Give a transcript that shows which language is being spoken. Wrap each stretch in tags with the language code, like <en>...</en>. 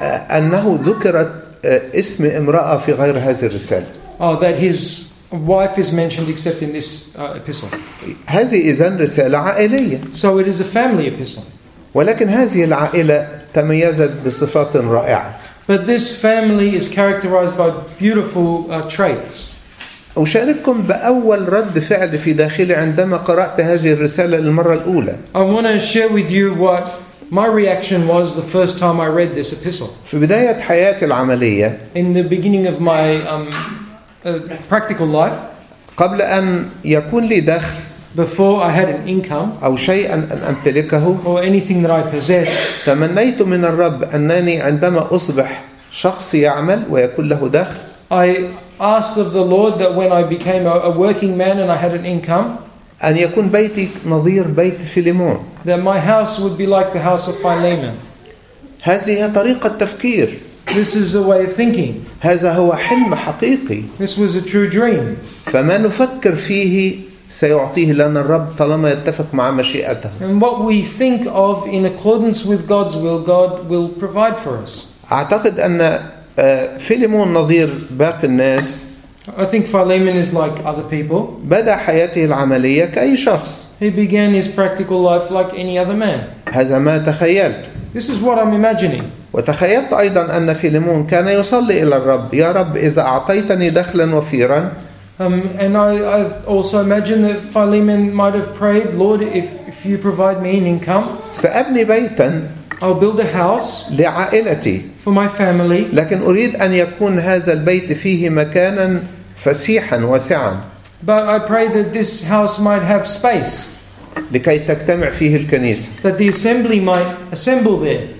<ar>أنه ذكرت اسم امرأة في غير هذه الرسالة.</ar> <en>Oh, that his wife is mentioned except in this epistle.</en> <ar>هذه إذن رسالة عائلية.</ar> <en>So it is a family epistle.</en> <ar>ولكن هذه العائلة تميزت بصفات رائعة.</ar> <en>But this family is characterized by beautiful traits.</en> <ar>أشارككم بأول رد فعل في داخلي عندما قرأت هذه الرسالة للمرة الأولى.</ar> <en>I want to share with you what my reaction was the first time I read this epistle.</en> <ar>في بداية حياتي العملية.</ar> <en>In the beginning of my practical life.</en> <ar>قبل أن يكون لي دخل.</ar> <en>Before I had an income.</en> <ar>أو شيئاً أن أمتلكه.</ar> <en>Or anything that I possessed.</en> <ar>تمنيت من الرب أنني عندما أصبح شخص يعمل ويكون له دخل.</ar> <en>I asked of the Lord that when I became a working man and I had an income.</en> <ar>أن يكون بيتي نظير بيت فيليمون.</ar> <en>That my house would be like the house of Philemon.</en> <ar>هذه هي طريقة تفكير.</ar> <en>This is a way of thinking.</en> <ar>هذا هو حلم حقيقي.</ar> <en>This was a true dream.</en> <ar>فما نفكر فيه سيعطيه لنا الرب طالما يتفق مع مشيئته.</ar> <en>And what we think of in accordance with God's will, God will provide for us.</en> <ar>أعتقد أن فيليمون نظير باقي الناس.</ar> <en>I think Philemon is like other people.</en> <ar>بدأ حياته العملية كأي شخص.</ar> <en>He began his practical life like any other man.</en> <ar>هذا ما تخيلت.</ar> <en>This is what I'm imagining.</en> <ar>وتخيلت أيضا أن فيليمون كان يصلي إلى الرب يا رب إذا أعطيتني دخلا وفيرا.</ar> <en>And I also imagine that Philemon might have prayed, Lord, if you provide me an income.</en> <ar>سأبني بيتا.</ar> <en>I'll build a house.</en> <ar>لعائلتي.</ar> <en>For my family.</en> <ar>لكن أريد أن يكون هذا البيت فيه مكانا فسيحا واسعا.</ar> <en>But I pray that this house might have space.</en> <ar>لكي تجتمع فيه الكنيسة.</ar> <en>That the assembly might assemble there.</en>